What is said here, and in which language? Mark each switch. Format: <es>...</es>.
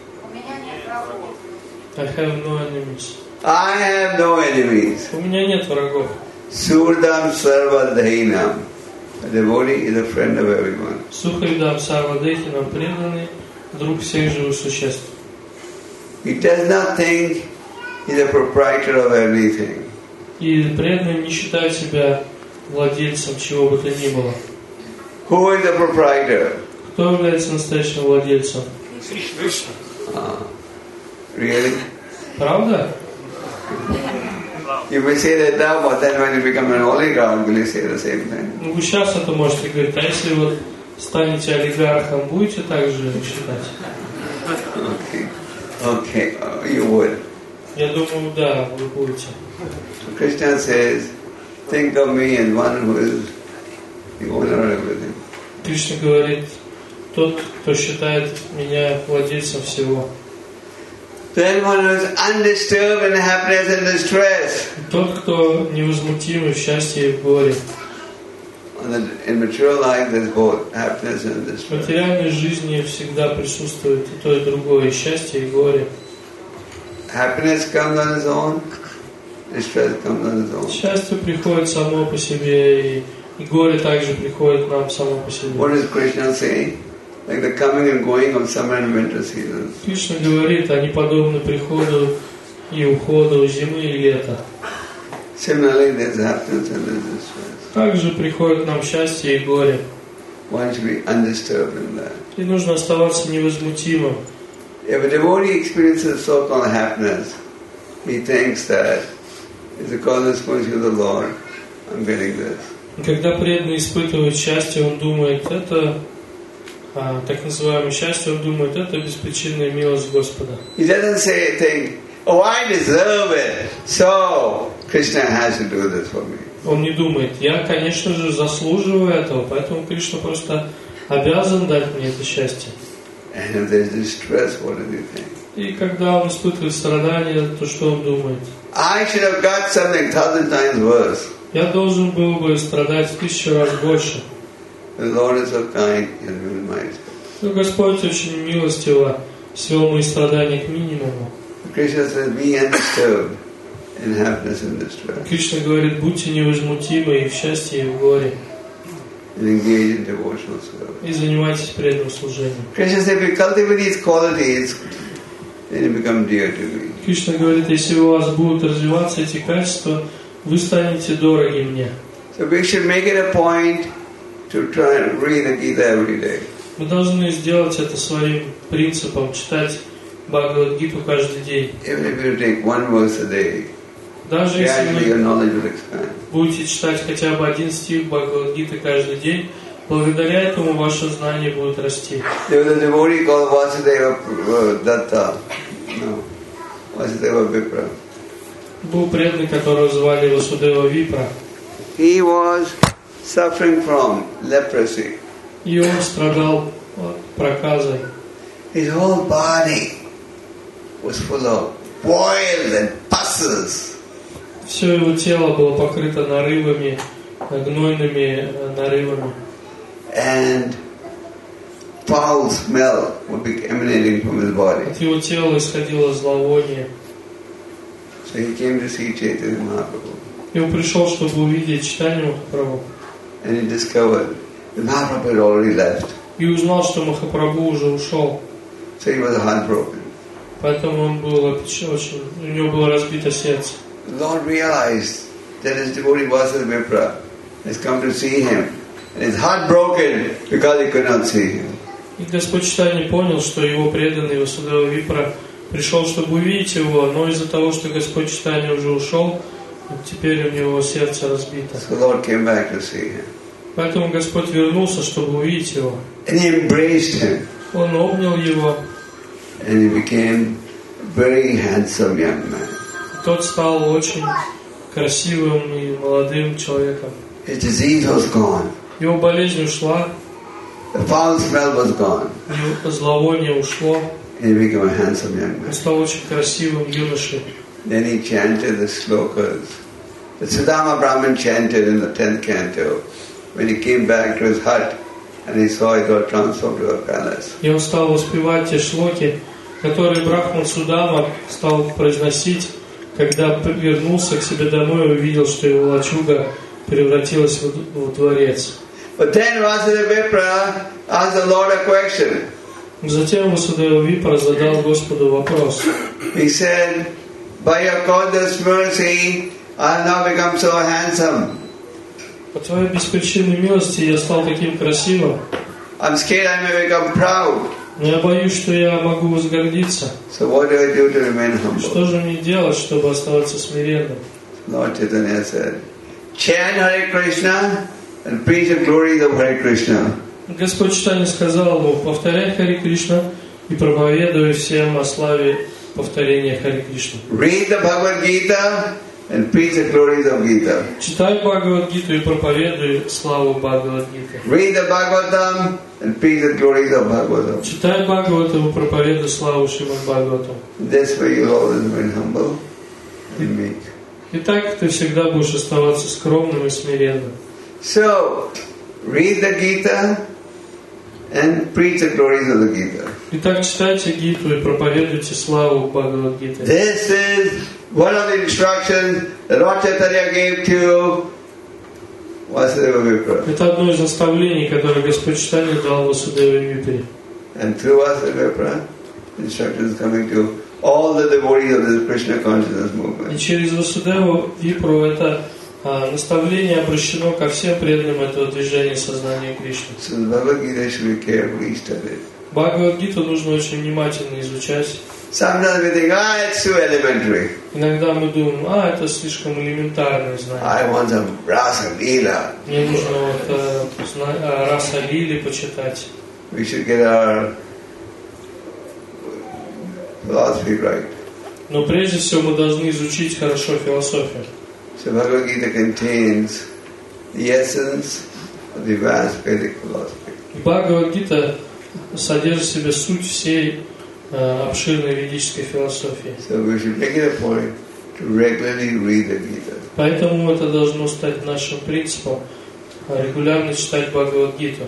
<ru>У меня нет врагов.</ru> <en>I have no enemies. I have no enemies.</en> <ru>У меня нет врагов.</ru> <sa>Surdam sarvadhinam.</sa> <en>A devotee is a friend of everyone.</en> <ru>Сухридам сарвадхинам, преданный друг всех живых существ.</ru> <en>He does not think he's a proprietor of anything.</en> <ru>И преданный не считает себя владельцем чего бы то ни было.</ru> <en>Who is the proprietor?</en> <ru>Кто является настоящим владельцем?</ru> <en>Really?</en> <ru>Правда?</ru> <en>You may say that now, but then when you become an oligarch, will you say the same thing?</en> <ru>Ну, вы сейчас это можете говорить, а если вот станете олигархом, будете так же считать?</ru> <en>Okay, you would.</en> <ru>Я думаю, да, вы будете.</ru> <en>So Krishna says, think of me as one who is the owner of everything.</en> <ru>Кришна говорит, тот, кто считает меня владельцем всего.</ru> <en>Then one who is undisturbed in happiness and distress.</en> <ru>Тот, кто невозмутим в счастье и в горе.</ru> <en>In material life, there's both happiness and distress.</en> <ru>В материальной жизни всегда присутствует и то, и другое, и счастье, и горе.</ru> <en>Happiness comes on its own, distress comes on its own.</en> <ru>Счастье приходит само по себе, и горе также приходит нам само по себе.</ru> <en>What is Krishna saying? Like the coming and going of summer and winter seasons.</en> <ru>Кришна говорит, они подобны приходу и уходу зимы и лета.</ru> <en>Similarly, there's happiness and there's distress.</en> <ru>Также приходит нам счастье и горе.</ru> <en>One should be undisturbed in that.</en> <ru>И нужно оставаться невозмутимым.</ru> <en>If a devotee experiences so-called happiness, he thinks that it's a consequence of the Lord. I'm getting this.</en> <ru>Когда преданный испытывает счастье, он думает, это так называемое счастье, он думает, это беспричинная милость Господа.</ru> <en>He doesn't say a thing, oh, I deserve it, so Krishna has to do this for me.</en> <ru>Он не думает, я, конечно же, заслуживаю этого, поэтому Кришна просто обязан дать мне это счастье.</ru> <en>And if there's distress, what do you think?</en> <ru>И когда он испытывает страдания, то что он думает?</ru> <en>I should have got something 1,000 times worse.</en> <ru>Я должен был бы страдать 1,000 раз больше.</ru> <en>The Lord is so kind and humanizing.</en> <ru>Но Господь очень милостиво свел мои страдания к минимуму.</ru> <en>Krishna says, "Be undisturbed in happiness and distress."</en> <ru>Кришна говорит, будьте невозмутимы и в счастье и в горе.</ru> <en>And engage in devotional service.</en> <ru>И занимайтесь преданным служением.</ru> <en>Krishna says, "If you cultivate these qualities, then you become dear to me."</en> <ru>Кришна говорит, если у вас будут развиваться эти качества, вы станете дороги мне.</ru> <en>So we should make it a point to try and read the Gita every day.</en> <ru>Мы должны сделать это своим принципом читать Бхагавад-гиту каждый день.</ru> <en>Even if you take one verse a day,</en> <ru>даже если</ru> <en>your knowledge will expand.</en> <ru>Будете читать хотя бы один стих Бхагавад-гиты каждый день, благодаря этому ваше знание будет расти.</ru> <en>There was a devotee called Vasudeva Datta. No, Vasudeva Vipra.</en> <ru>Был преданный, которого звали Васудева Випра.</ru> <en>He was suffering from leprosy.</en> <ru>И он страдал проказой.</ru> <en>His whole body was full of boils and pus.</en> <ru>Все его тело было покрыто нарывами, гнойными нарывами.</ru> <en>And foul smell would be emanating from his body.</en> <ru>От его тела исходило зловоние.</ru> <en>So he came to see Chaitanya Mahaprabhu.</en> <ru>И он пришел, чтобы увидеть Чайтанью Махапрабху.</ru> <en>And he discovered that Mahaprabhu had already left.</en> <ru>И узнал, что Махапрабху уже ушел.</ru> <en>So he was heartbroken.</en> <ru>Поэтому он был очень, у него было разбито сердце.</ru> <en>The Lord realized that his devotee Vasudeva Vipra has come to see him. And his heart broken because he could not see him.</en> <ru>И Господь Чайтанья понял, что его преданный Васудева Випра пришел, чтобы увидеть его, но из-за того, что Господь Чайтанья уже ушел, теперь у него сердце разбито.</ru> <en>So Lord came back to see him.</en> <ru>Поэтому Господь вернулся, чтобы увидеть его.</ru> <en>And he embraced him.</en> <ru>Он обнял его.</ru> <en>And he became a very handsome young man.</en> <ru>Тот стал очень красивым и молодым человеком.</ru> <en>His disease was gone.</en> <ru>Его болезнь ушла.</ru> <en>The foul smell was gone.</en> <ru>Его зловоние ушло.</ru> <en>And he became a handsome young man.</en> <ru>Он стал очень красивым юношей.</ru> <en>Then he chanted the slokas. The Sudama Brahmin chanted in the 10th canto. When he came back to his hut, and he saw it got transformed to a palace.</en> <ru>И он стал воспевать те шлоки, которые Брахман Судама стал произносить, когда вернулся к себе домой и увидел, что его лачуга превратилась в дворец.</ru> <en>But then Vasudeva Vipra asked the Lord a question.</en> <ru>Затем Васудева Випра задал Господу вопрос.</ru> <en>He said, "By your goddess mercy, I have now become so handsome."</en> <ru>По твоей беспричинной милости я стал таким красивым.</ru> <en>I'm scared I may become proud.</en> <ru>Но я боюсь, что я могу возгордиться.</ru> <en>So what do I do to remain humble?</en> <ru>Что же мне делать, чтобы оставаться смиренным?</ru> <en>Lord Chaitanya said, "Chant Hare Krishna and preach the glories of Hare Krishna."</en> <ru>Господь Чайтанья сказал ему: повторяй Хари Кришна и проповедуй всем о славе повторения Хари Кришна.</ru> <en>Read the Bhagavad Gita. And preach the glories of Gita.</en> <ru>Читай Бхагавад-гиту и проповедуй славу Бхагавад-гиты.</ru> <en>Read the Bhagavatam and preach the glories of Bhagavatam.</en> <ru>Читай Бхагавату и проповедуй славу Шримад Бхагавату.</ru> <en>This way you always remain humble and meek.</en> <ru>И так ты всегда будешь оставаться скромным и смиренным.</ru> <en>So, read the Gita and preach the glories of the Gita.</en> <ru>Итак, читайте Гиту и проповедуйте славу Бхагавад-гиты.</ru> <en>This is one of the instructions that Lord Chaitanya gave to Vasudeva Vipra.</en> <ru>Это одно из наставлений, которое Господь Чайтанья дал Васудеве Випре.</ru> <en>And through Vasudeva Vipra, instructions coming to all the devotees of this Krishna consciousness movement.</en> <ru>И через Васудеву Випру это наставление обращено ко всем преданным этого движения сознания Кришны.</ru> <en>So the Bhagavad Gita should be carefully studied.</en> <ru>Бхагавад Гиту нужно очень внимательно изучать.</ru> <en>Sometimes we think, ah, it's too elementary.</en> <ru>Иногда мы думаем, а, это слишком элементарное знание.</ru> <en>I want some Rasa Lila.</en> <ru>Мне нужно вот Раса Лили почитать.</ru> <en>We should get our philosophy right.</en> <ru>Но прежде всего мы должны изучить хорошо философию.</ru> <en>So Bhagavad Gita contains the essence of the vast Vedic philosophy.</en> <ru>Бхагавад Гита содержит в себе суть всей обширной ведической философии.</ru> <en>So we should make it a point to regularly read the Gita.</en> <ru>Поэтому это должно стать нашим принципом регулярно читать Бхагавад Гиту.</ru>